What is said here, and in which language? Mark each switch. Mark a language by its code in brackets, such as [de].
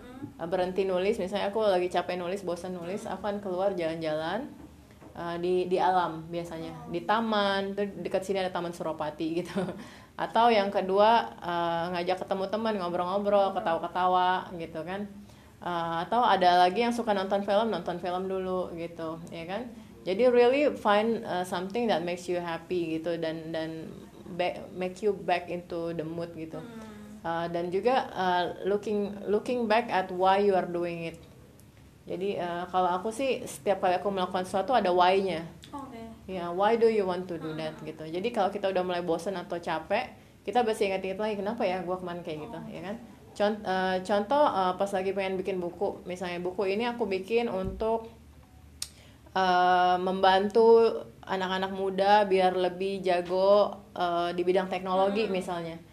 [id] Berhenti nulis, misalnya aku lagi capek nulis, bosan nulis, aku akan keluar jalan-jalan di alam biasanya, di taman, dekat sini ada Taman Suropati gitu. Atau yang kedua, ngajak ketemu teman, ngobrol-ngobrol, ketawa-ketawa gitu kan. Atau ada lagi yang suka nonton film dulu gitu, ya kan. Jadi [en] really find something that makes you happy [id] gitu, dan [en] make you back into the mood gitu. [id] Dan juga [en] looking back at why you are doing it. [id] Jadi kalau aku sih setiap kali aku melakukan sesuatu ada why-nya. [en] Okay. Yeah, why do you want to do that [id] gitu. Jadi kalau kita udah mulai bosan atau capek, kita pasti ingat-ingat lagi kenapa ya gua kemarin kayak gitu, ya kan? Contoh pas lagi pengen bikin buku, misalnya buku ini aku bikin untuk membantu anak-anak muda biar lebih jago di bidang teknologi misalnya.